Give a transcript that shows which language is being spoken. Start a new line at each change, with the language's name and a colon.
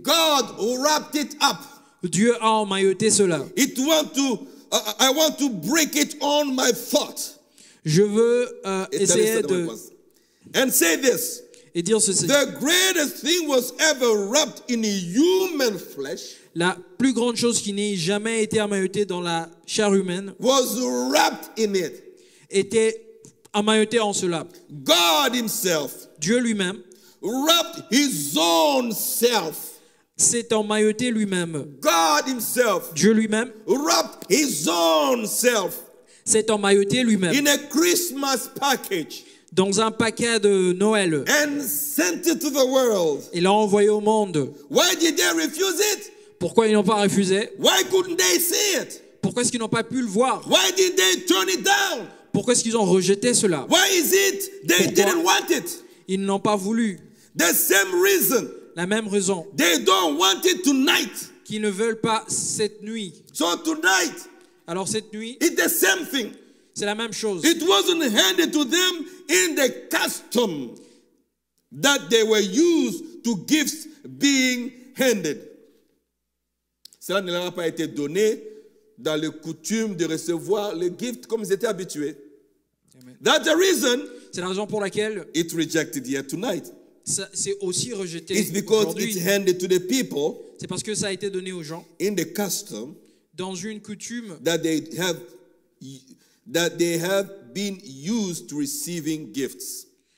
English: God wrapped it up.
French: Dieu a emmailloté cela.
English: It want to, I want to break it on my foot.
French: Je veux essayer de
English: and say this.
French: Et dire ceci.
English: The greatest thing was ever wrapped in human flesh.
French: La plus grande chose qui n'ait jamais été emmaillotée dans la chair humaine
English: was wrapped in it.
French: Était emmailloté en cela.
English: God himself,
French: Dieu lui-même,
English: wrapped his own self.
French: S'est emmailloté lui-même.
English: God himself,
French: Dieu lui-même,
English: wrapped his own self.
French: S'est emmailloté lui-même.
English: In a Christmas package,
French: dans un paquet de Noël.
English: And sent it to the world.
French: Et l'a envoyé au monde.
English: Why did they refuse it?
French: Pourquoi ils n'ont pas refusé?
English: Why couldn't they see it?
French: Pourquoi est-ce qu'ils n'ont pas pu le voir?
English: Why did they turn it down?
French: Pourquoi est-ce qu'ils ont rejeté cela?
English: Why is it they didn't want it?
French: Ils n'ont pas voulu.
English: The same reason.
French: La même raison.
English: They don't want it tonight.
French: Qu'ils ne veulent pas cette nuit.
English: So tonight.
French: Alors cette nuit.
English: It's the same thing.
French: C'est la même chose.
English: It wasn't handed to them in the custom that they were used to gifts being handed.
French: Cela ne leur a pas été donné dans le coutume de recevoir les gifts comme ils étaient habitués.
English: Amen. That's the reason.
French: C'est la raison pour laquelle
English: it rejected yet tonight.
French: Ça, c'est aussi rejeté.
English: It's because it's handed to the people.
French: C'est parce que ça a été donné aux gens.
English: In the custom.
French: Dans une coutume.
English: That they have been used to receiving gifts.